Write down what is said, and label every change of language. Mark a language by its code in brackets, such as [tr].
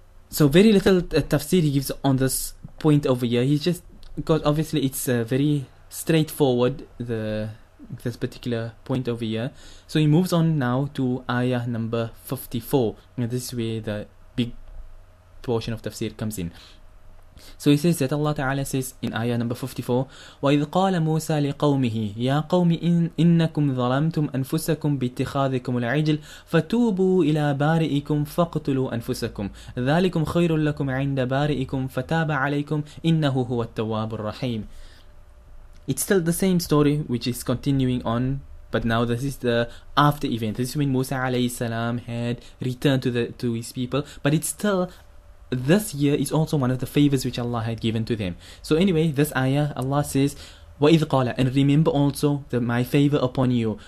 [en] So very little tafsir he gives on this point over here. He's just, because obviously it's very straightforward, this particular point over here. So he moves on now to ayah number 54. And this is where the big portion of tafsir comes in. So he says that Allah Ta'ala says in ayah number 54, [ar] وَإِذْ قَالَ مُوسَى لِقَوْمِهِ يَا قَوْمِ إِنَّكُمْ ظَلَمْتُمْ أَنفُسَكُمْ بِاتِّخَاذِكُمُ الْعِجْلِ فَتُوبُوا إِلَى بَارِئِكُمْ فَاقْتُلُوا أَنفُسَكُمْ ذَلِكُمْ خَيْرٌ لَكُمْ عِنْدَ بَارِئِكُمْ فَتَابَ عَلَيْكُمْ إِنَّهُ هُوَ التَّوَّابُ الرَّحِيمُ. [en] It's still the same story which is continuing on, but now this is the after event. This is when Musa alayhi salam had returned to his people, but it's still, this year is also one of the favors which Allah had given to them. So anyway, this ayah, Allah says, [ar] وَإِذْ قَالَ, [en] and remember also that my favor upon you.